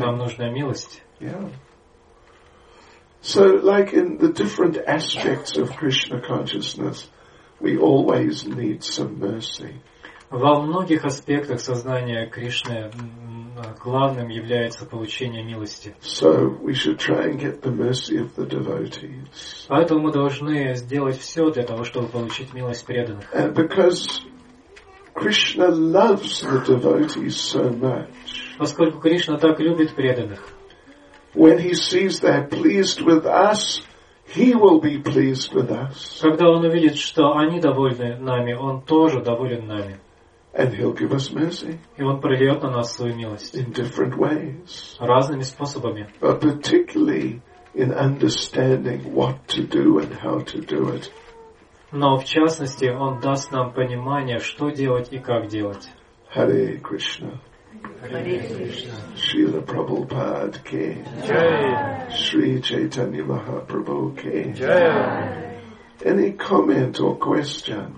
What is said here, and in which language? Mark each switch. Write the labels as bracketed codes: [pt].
[ru] Нам нужна милость. [en] Yeah. So, like in the different aspects of Krishna consciousness, we always need some mercy. [ru] Во многих аспектах сознания Кришны главным является получение милости. [en] So we should try and get the mercy of the devotees. [ru] Поэтому мы должны сделать все для того, чтобы получить милость преданных. [en] And because Krishna loves the devotees so much. [ru] Поскольку Кришна так любит преданных. [en] When he sees they're pleased with us, he will be pleased with us. [ru] Когда он увидит, что они довольны нами, он тоже доволен нами. [en] And he'll give us mercy. [ru] И он прольет на нас свою милость. [en] In different ways. [ru] Разными способами. [en] But particularly in understanding what to do and how to do it. [ru] Но в частности, он даст нам понимание, что делать и как делать. [en] Hare Krishna. Hare Krishna. Srila Prabhupada ki. Jai. Sri Chaitanya Mahaprabhu ki. Jai. Any comment or question?